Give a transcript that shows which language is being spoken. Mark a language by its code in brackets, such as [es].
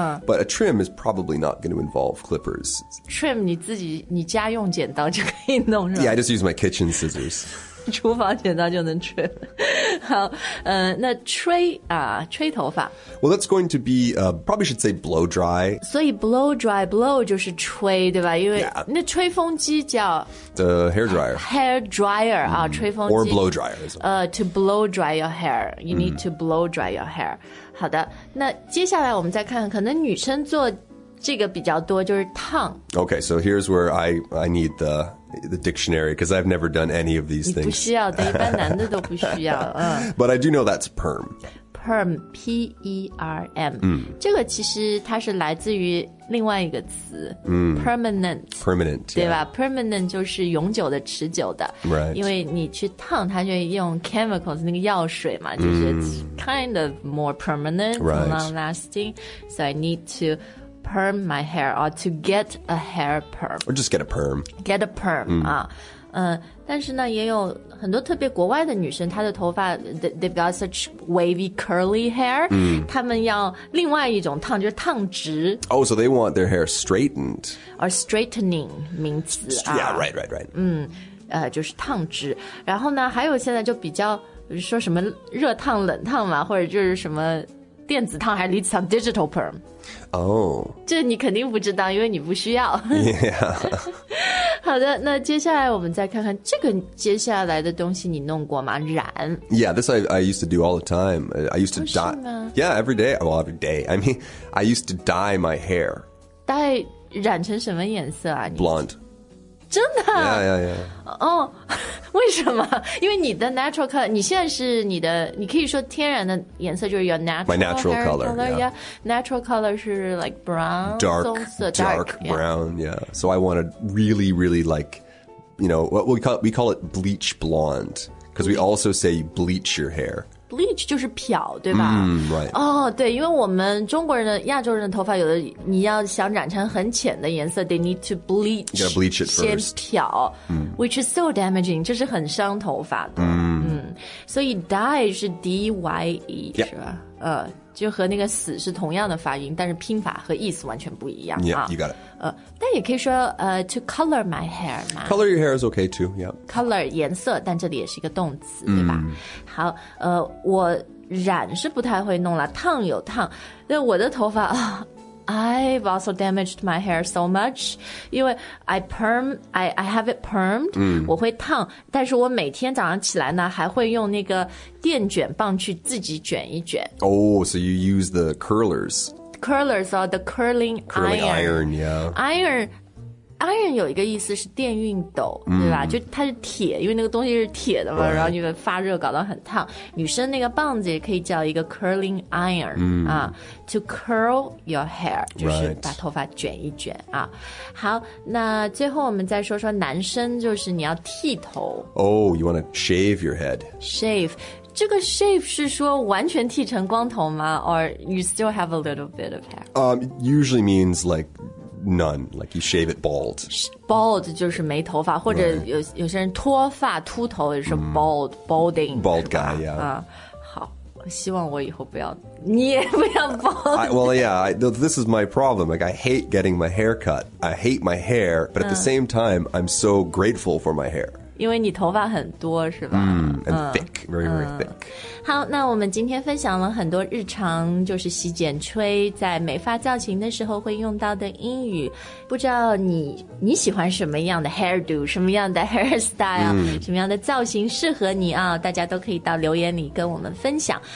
[en] But a trim is probably not going to involve clippers. [zh] Trim, 你自己你家用剪刀就可以弄是吧 [en] Yeah, I just use my kitchen scissors. [zh] 厨房剪刀就能吹好、那吹、吹头发 [en] Well, that's going to be、probably should say blow dry [zh] 所以 blow dry blow 就是吹对吧因为、 [en] yeah. [zh] 那吹风机叫 [en] the hair dryer hair dryer、 [zh] 吹风机 [en] or blow dryer、 to blow dry your hair [zh] you need、to blow dry your hair 好的那接下来我们再看可能女生做这个比较多就是烫 [en] Okay, so here's where I need the dictionary because I've never done any of these things [zh] 你不需要的一般男的都不需要、 [en] But I do know that's perm [zh] Perm P-E-R-M、这个其实它是来自于另外一个词、Permanent [en] Permanent [zh] 对吧、 [en] yeah. [zh] Permanent 就是永久的持久的、 [en] right. [zh] 因为你去烫它就用 chemicals 那个药水嘛就是、 [en] It's kind of more permanent、 right. long lasting So I need toperm my hair or to get a hair perm or just get a perm [zh] get a perm、但是呢也有很多特别国外的女生她的头发 [en] they've got such wavy curly hair、 [zh] 她们要另外一种烫就是烫直 [en] oh so they want their hair straightened or straightening 名词、 yeah right right right、 [zh] 就是烫直然后呢还有现在就比较说什么热烫冷烫嘛或者就是什么电子烫还是离子烫 digital perm 哦、这你肯定不知道因为你不需要、 [en] yeah. [zh] 好的那接下来我们再看看这个接下来的东西你弄过吗染 [en] Yeah, this I used to do all the time I used to dye Yeah, every day Well, every day I mean, I used to dye my hair [zh] dye 染成什么颜色啊 [en] Blonde [zh] 真的 [en] Yeah, yeah, yeah [zh] 哦、为什么因为你的 natural color 你现在是你的你可以说天然的颜色就是 [en] your natural color My natural color, color yeah. yeah Natural color 是 like brown Dark, dark brown yeah. yeah So I want to really, really like You know, what we call it bleach blonde Because we also say bleach your hair [zh] Bleach 就是漂对吧、 [en] right. [zh] 哦对因为我们中国人的亚洲人的头发有的你要想染成很浅的颜色 [en] They need to bleach You gotta bleach it first [zh] 先漂、 [en] Which is so damaging [zh] 这是很伤头发的、所以 dye 是 D-Y-E、 [en] yeah. [zh] 是吧、就和那个死是同样的发音但是拼法和意思完全不一样 [en] Yeah、 [zh] 啊、 [en] you got it、 [zh] 但也可以说、 [en] to color my hair Color your hair is okay too、yeah. [zh] Color 颜色但这里也是一个动词、对吧好、我染是不太会弄了烫有烫但我的头发、 [en] I've also damaged my hair so much. 因为 I perm, I have it permed,、mm. [zh] 我会烫，但是我每天早上起来呢，还会用那个电卷棒去自己卷一卷。 [en] Oh, so you use the curlers. Curlers are the curling iron. Curling iron, yeah. [zh] Iron 有一个意思是电熨斗、 mm. 对吧就它是铁因为那个东西是铁的嘛、 [en] right. [zh] 然后就会发热搞得很烫女生那个棒子也可以叫一个 curling iron、 mm. 啊、to curl your hair 就是把头发卷一卷、 [en] right. 啊。 [zh] 好那最后我们再说说男生就是你要剃头 [en] Oh, you want to shave your head [zh] Shave 这个 shave 是说完全剃成光头吗 [en] Or you still have a little bit of hair、 Usually means likeNone, like you shave it bald. [zh] Bald 就是没头发，或者有些人脱发秃头也是 bald,、mm. [en] balding. Bald guy, yeah.、 [zh] 好，希望我以后不要，你也不要 bald. [en] This is my problem. Like, I hate getting my hair cut. I hate my hair, but at the same time, I'm so grateful for my hair. [zh] 因为你头发很多是吧、 [en] mm, and thick, very, very thick. [zh] 好那我们今天分享了很多日常就是洗剪吹在美发造型的时候会用到的英语。不知道你喜欢什么样的 hairdo, 什么样的 hairstyle,、 mm. 什么样的造型适合你啊大家都可以到留言里跟我们分享。